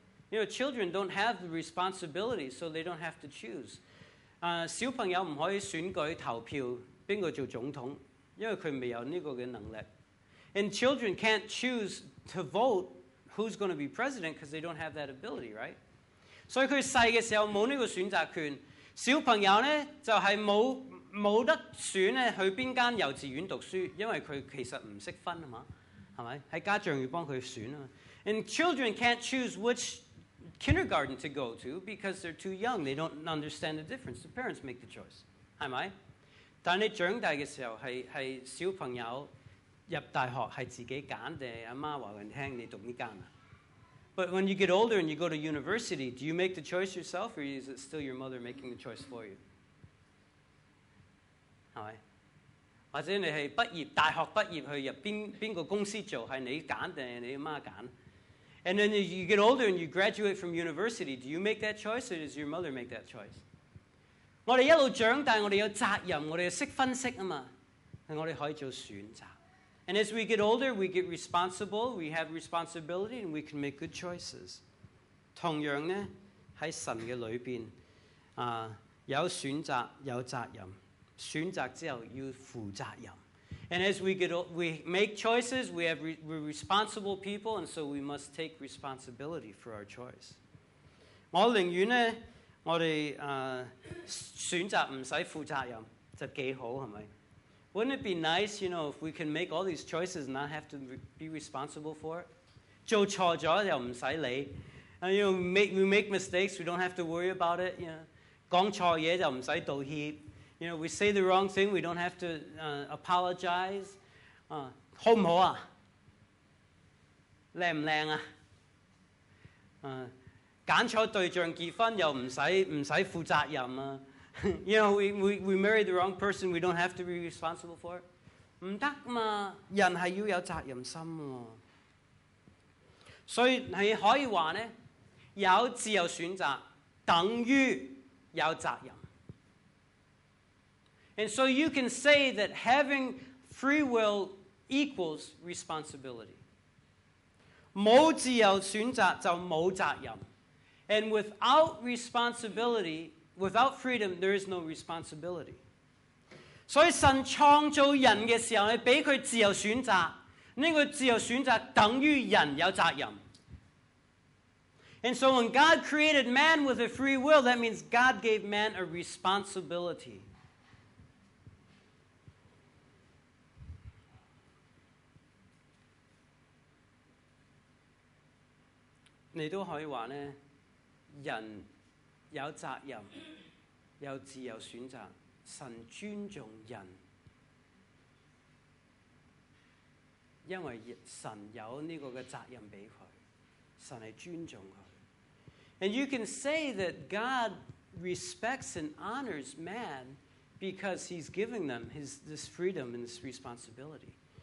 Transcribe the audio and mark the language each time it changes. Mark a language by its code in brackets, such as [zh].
[en] You know, children don't have the responsibility, so they don't have to choose. [yue] 小朋友唔可以選舉投票邊個做總統，因為佢未有呢個嘅能力。 [en] And children can't choose to vote who's going to be president because they don't have that ability, right? [yue] 所以佢細嘅時候冇呢個選擇權。小朋友呢，就係冇。冇得選咧，去邊間幼稚園讀書，因為佢其實唔識分啊嘛，係咪？係家長要幫佢選啊。And [en] children can't choose which kindergarten to go to because they're too young. They don't understand the difference. The parents make the choice, [yue] 係咪？但你長大嘅時候係小朋友入大學係自己揀定阿媽話佢聽你讀呢間啊。But [en] when you get older and you go to university, do you make the choice yourself or is it still your mother making the choice for you? [yue] 係或者你係畢業大學畢業去入邊個公司做，係你揀定係你媽揀 ？ [en] And then you get older and you graduate from university. Do you make that choice, or does your mother make that choice？ [yue] 我哋一路長大，我哋有責任，我哋識分析啊嘛，係我哋可以做選擇。 [en] And as we get older, we get responsible, we have responsibility, and we can make good choices. [yue] 同樣呢，喺神嘅裏邊，有選擇，有責任。選擇之後要負責任。 [en] And as we get old, we make choices, we're responsible people, and so we must take responsibility for our choice. [yue] 我寧願呢，我哋選擇唔使負責任，就幾好，係咪？ [en] Wouldn't it be nice, you know, if we can make all these choices and not have to be responsible for it? [yue] 做錯咗又唔使理， [en] and, you know, we make mistakes, we don't have to worry about it. You know, [yue] 講錯嘢又唔使道歉， [en] you know, we say the wrong thing, we don't have to apologize. [yue] 好唔好啊？靚唔靚啊？揀錯對象結婚又唔使負責任啊？ [en] You know, we marry the wrong person, we don't have to be responsible for it. [yue] 唔得嘛，人係要有責任心喎。所以你可以話呢，有自由選擇等於有責任。 [en] And so you can say that having free will equals responsibility. [yue] 冇自由選擇就冇責任。 [en] And without responsibility,Without freedom, there is no responsibility. [yue] 所以神創造人的時候，俾佢自由選擇，呢個自由選擇等於人有責任。 [en] And so when God created man with a free will, that means God gave man a responsibility. [yue] 你都可以話呢，人有責任。有自由選擇，神尊重人，因為神有呢個嘅責任俾佢，神係尊重佢。 [en] And you can say that God respects and honors man because He's giving them this freedom and this responsibility.